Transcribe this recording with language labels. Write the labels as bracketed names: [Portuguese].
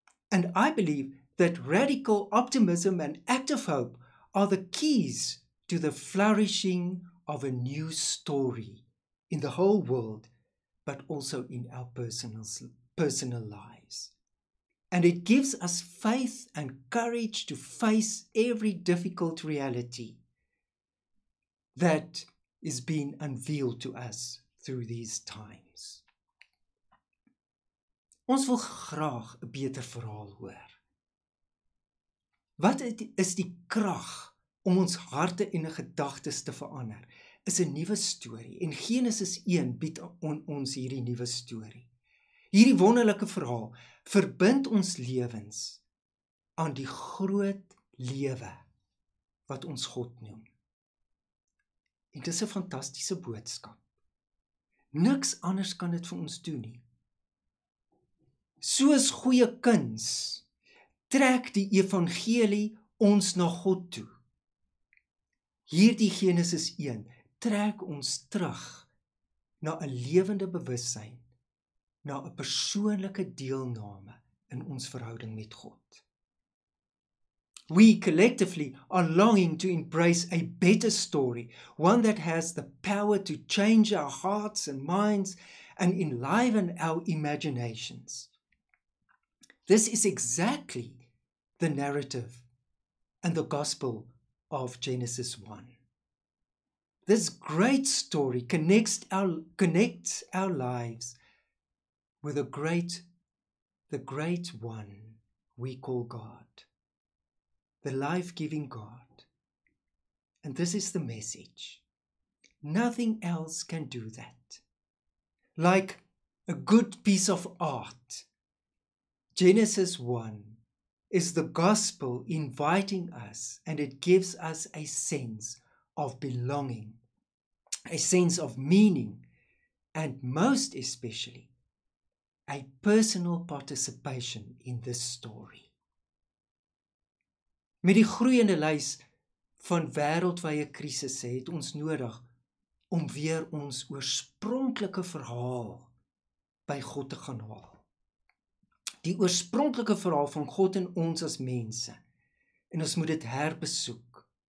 [English] And I believe that radical optimism and active hope are the keys to the flourishing of a new story in the whole world, but also in our personal lives. And it gives us faith and courage to face every difficult reality that is being unveiled to us through these times. [Afrikaans] Ons wil graag 'n beter verhaal hoor. Wat is die krag om ons harte en gedagtes te verander? Is 'n nuwe storie en Genesis 1 bied aan ons hierdie nuwe storie. Hierdie wonderlike verhaal verbind ons lewens aan die groot lewe wat ons God noem. En dis 'n fantastiese boodskap. Niks anders kan dit vir ons doen nie. Soos goeie kuns, trek die evangelie ons na God toe. Hierdie Genesis 1 trek ons terug na 'n lewende bewussyn, na 'n persoonlike deelname in ons verhouding met God. [English] We collectively are longing to embrace a better story, one that has the power to change our hearts and minds and enliven our imaginations. This is exactly the narrative and the gospel of Genesis 1. This great story connects our lives with the great one we call God, the life-giving God. And this is the message. Nothing else can do that. Like a good piece of art, Genesis 1 is the gospel inviting us, and it gives us a sense of belonging, a sense of meaning, and most especially, a personal participation in this story. [Afrikaans] Met die groeiende lys van wêreldwye krisisse het ons nodig om weer ons oorspronklike verhaal by God te gaan haal. Die oorspronklike verhaal van God en ons as mense. En ons moet dit herbesoek.